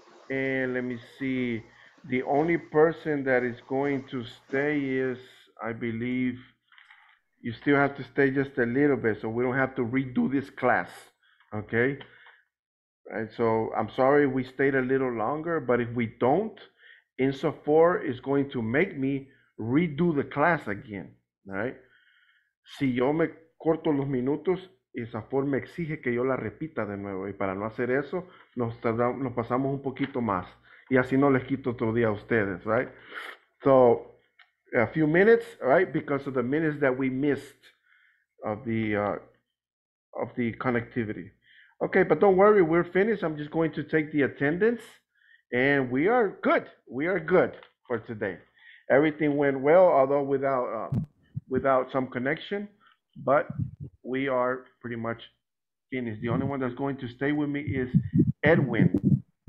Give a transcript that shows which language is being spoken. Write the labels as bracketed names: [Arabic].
[English] And let me see. The only person that is going to stay is, I believe, you still have to stay just a little bit, so we don't have to redo this class, okay? And so I'm sorry we stayed a little longer, but if we don't, INSAFORP is going to make me redo the class again, right? [Spanish] Si yo me corto los minutos, INSAFORP me exige que yo la repita de nuevo, y para no hacer eso, nos pasamos un poquito más, y así no les quito otro día a ustedes, right? [English] So a few minutes, right, because of the minutes that we missed of the connectivity. Okay, but don't worry, we're finished. I'm just going to take the attendance, and we are good. We are good for today. Everything went well, although without some connection, but we are pretty much finished. The only one that's going to stay with me is Edwin.